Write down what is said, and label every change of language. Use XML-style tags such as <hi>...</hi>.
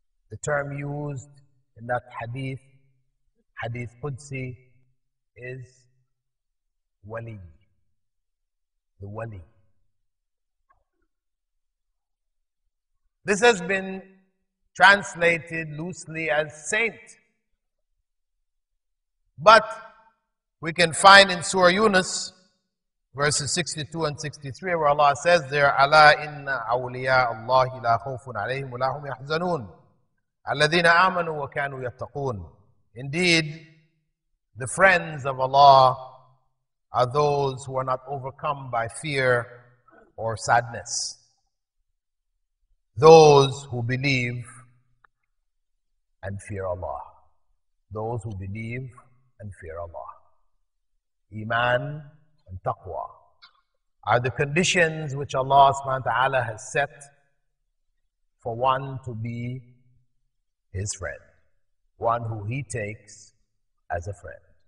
<en>The term used in that hadith, hadith Qudsi, is wali, the wali. This has been translated loosely as saint. But we can find in Surah Yunus, verses 62 and 63, where Allah says there,</en> <ar>أَلَا إِنَّ أَوْلِيَاءَ اللَّهِ لَا خَوْفٌ عَلَيْهِمْ وَلَا هُمْ يَحْزَنُونَ الَّذِينَ آمَنُوا وَكَانُوا يَتَّقُونَ.</ar> <en>Indeed, the friends of Allah are those who are not overcome by fear or sadness. Those who believe and fear Allah. Those who believe and fear Allah. Iman and taqwa are the conditions which Allah subhanahu wa ta'ala has set for one to be his friend, one who he takes as a friend.</en>